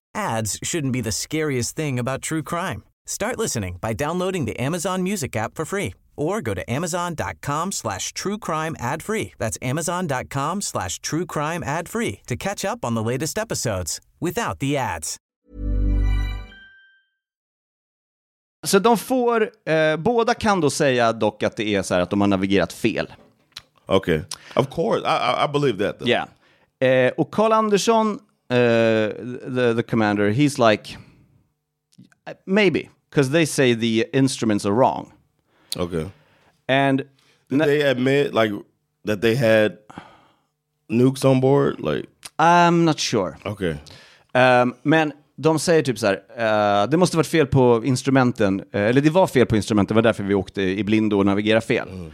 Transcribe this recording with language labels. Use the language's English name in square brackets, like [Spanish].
[English] Ads shouldn't be the scariest thing about true crime. Start listening by downloading the Amazon Music app for free or go to amazon.com/truecrimeadfree. That's amazon.com/truecrimeadfree to catch up on the latest episodes without the ads. [Swedish] Så de får, båda kan då säga dock att det är så här att de har navigerat fel. [English] Okay, of course, I believe that though. Yeah, och Carl Andersson, the commander, he's like, maybe. Because they say the instruments are wrong. Okay. And they admit like that they had nukes on board? Like, I'm not sure. Okay. [Swedish] Men de säger typ så här, det måste varit fel på instrumenten. Eller det var fel på instrumenten, det var därför vi åkte i blindo och navigerade fel.